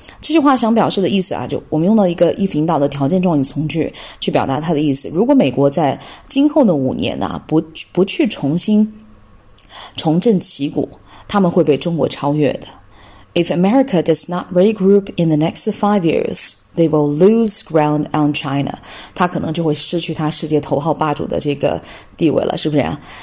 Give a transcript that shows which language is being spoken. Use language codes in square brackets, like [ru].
[zh] 这句话想表示的意思啊，就我们用到一个一引导的条件状语从句去表达它的意思。如果美国在今后的5年啊，不去重新重振旗鼓，他们会被中国超越的。 [en] If America does not regroup in the next 5 years, they will lose ground on China. [zh] 他可能就会失去他世界头号霸主的这个地位了，是不是啊？